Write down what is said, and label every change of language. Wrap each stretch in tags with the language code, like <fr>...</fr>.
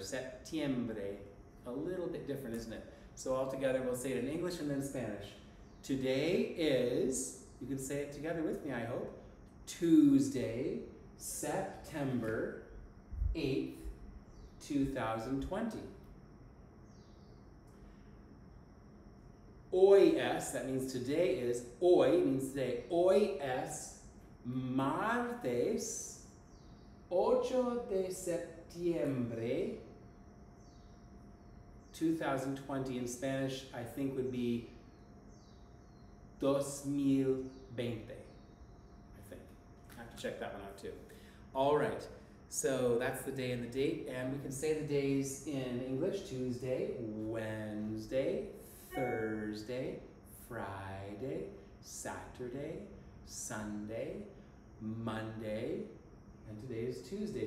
<en>Septiembre. A little bit different, isn't it? So all together we'll say it in English and then Spanish. Today is, you can say it together with me, I hope, Tuesday, September 8th, 2020.</en> <es>Hoy es,</es> <en>that means today is,</en> <es>hoy</es> <en>means today,</en> <es>hoy es martes 8 de septiembre 2020.</es> <en>In Spanish, I think would be 2020, I think. I have to check that one out too. All right. So that's the day and the date, and we can say the days in English: Tuesday, Wednesday, Thursday, Friday, Saturday, Sunday, Monday, and today is Tuesday.</en>